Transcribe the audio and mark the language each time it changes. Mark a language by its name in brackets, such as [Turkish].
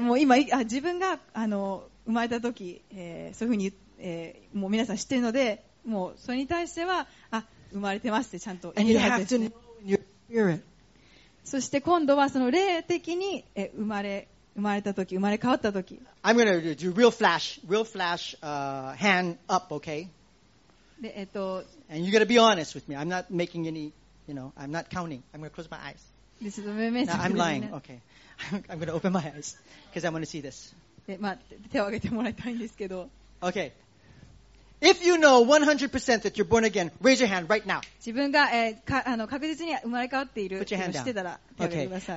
[Japanese] もう今、自分が、生まれた時、そういうふうに、もう皆さん知ってるので、もうそれに対しては、生まれてますってちゃんと言えるはずです、ね。 [English] And you have to know your spirit. [Japanese] そして今度はその霊的に生まれた時、生まれ変わった時。 [English] I'm gonna do real flash, hand up, okay? [Japanese] で、 [English] And you gotta be honest with me. I'm not making any, you know, I'm not counting. I'm gonna close my eyes. [Japanese] ちょっと目目 [English] つぶる。No, I'm lying, okay. I'm gonna open my eyes, because I wanna see this. [Japanese] で、まあ、手を挙げてもらいたいんですけど。 [English] Okay. If you know 100% that you're born again, raise your hand right now. [Japanese] 自分が、確実に生まれ変わっているって知ってたら手を挙げてください。